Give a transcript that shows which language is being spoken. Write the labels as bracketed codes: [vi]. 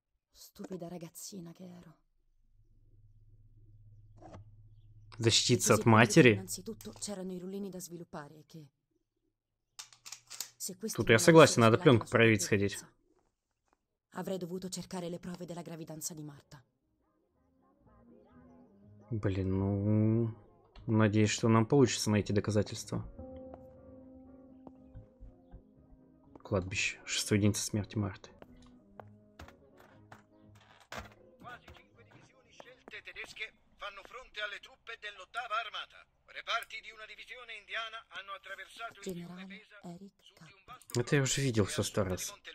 [it] Stupida ragazzina che ero. [ru] Защититься от матери? [it] Innanzitutto c'erano i rullini da sviluppare e che... [ru] Тут я согласен, надо пленку проверить сходить. [it] Avrei dovuto cercare le prove della gravidanza di Marta. [ru] Блин, ну... Надеюсь, что нам получится найти доказательства. Кладбище. Шестой день со смерти Марты. [it] Quasi 5 divisioni scelte tedesche fanno fronte alle truppe dell'ottava armata. Reparti di una divisione indiana hanno attraversato il generale Eric. [ru] Это я уже видел все сто раз.